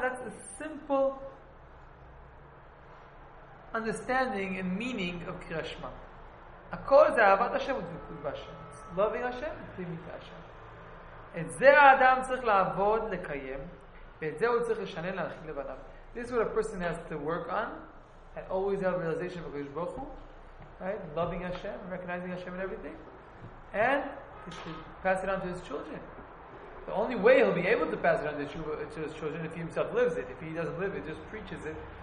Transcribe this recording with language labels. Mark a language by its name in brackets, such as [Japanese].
[English] That's a simple understanding and meaning of kriyat shma. [Hebrew] Hakol zeh ahavat Hashem u'dvikut b'Hashem. [English] Loving Hashem, pleasing Hashem. [Hebrew] את זה האדם צריך לעבוד, לקיים, ואת זה הוא צריך לשנן להנחיל לבניו. [English] This is what a person has to work on, and always have realization of HaKadosh Baruch Hu, right? Loving Hashem, recognizing Hashem and everything, and to pass it on to his children. The only way he'll be able to pass it on to his children if he himself lives it. If he doesn't live it, just preaches it.